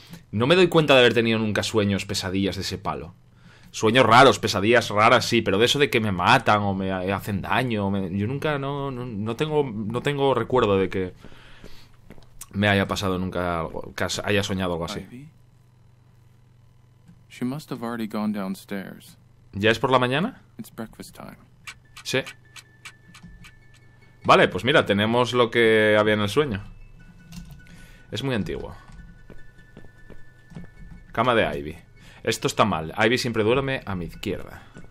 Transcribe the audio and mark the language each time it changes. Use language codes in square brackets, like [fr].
[es] No me doy cuenta de haber tenido nunca sueños, pesadillas de ese palo. Sueños raros, pesadillas raras, sí, pero de eso de que me matan o me hacen daño... Yo nunca, no tengo recuerdo de que me haya pasado nunca algo, que haya soñado algo así. [en] She must have already gone downstairs. [es] ¿Ya es por la mañana? [en] It's breakfast time. [es] Sí. Vale, pues mira, tenemos lo que había en el sueño. Es muy antiguo. Cama de Ivy. Esto está mal. Ivy siempre duerme a mi izquierda.